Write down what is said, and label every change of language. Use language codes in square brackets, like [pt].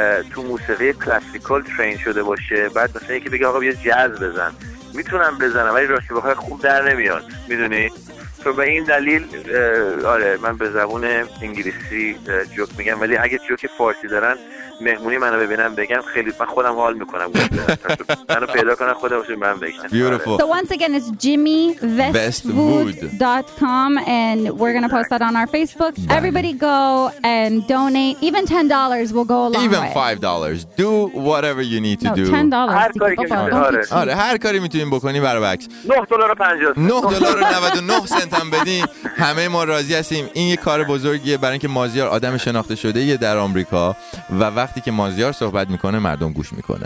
[fa] تو موسیقی کلاسیکال ترین شده باشه بعد مثلا یکی بگه آقا بیا جاز بزن میتونم بزنم ولی راستش بخوام خوب در نمیاد میدونی تو به این دلیل آره من به زبون انگلیسی جوک میگم ولی اگه جوک فارسی دارن مهمونی منو ببینم بگم خیلی من خودم حال میکنم منو پیدا کنم خودمش من بگم [en] beautiful so once again it's jimmywestwood.com and we're going to post that on our facebook everybody go and donate even $10 will go a long way even $5 do whatever you need to do $10 [fa] آره هر کاری میتونیم بکنیم برای بکس [en] $9.99 [fa] هم بدین همه ما راضی هستیم این یه کار بزرگیه برای اینکه مازیار آدم شناخته شده یه در آمریکا و وقتی که مازیار صحبت میکنه مردم گوش میکنن